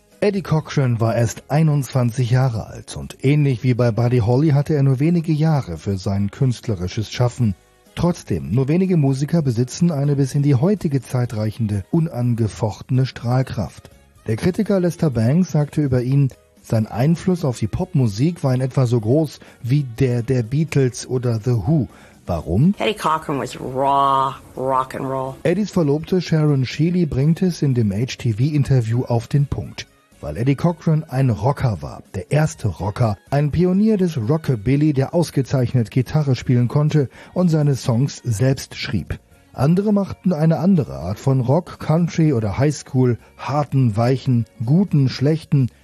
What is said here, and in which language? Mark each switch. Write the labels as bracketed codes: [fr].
[de] Eddie Cochran war erst 21 Jahre alt und ähnlich wie bei Buddy Holly hatte er nur wenige Jahre für sein künstlerisches Schaffen. Trotzdem, nur wenige Musiker besitzen eine bis in die heutige Zeit reichende, unangefochtene Strahlkraft. Der Kritiker Lester Banks sagte über ihn, sein Einfluss auf die Popmusik war in etwa so groß wie der der Beatles oder The Who. Warum? [en] Eddie Cochran was raw rock and roll. [de] Eddies Verlobte Sharon Sheely bringt es in dem HTV-Interview auf den Punkt. Weil Eddie Cochran ein Rocker war, der erste Rocker, ein Pionier des Rockabilly, der ausgezeichnet Gitarre spielen konnte und seine Songs selbst schrieb. Andere machten eine andere Art von Rock, Country oder Highschool, harten, weichen, guten, schlechten.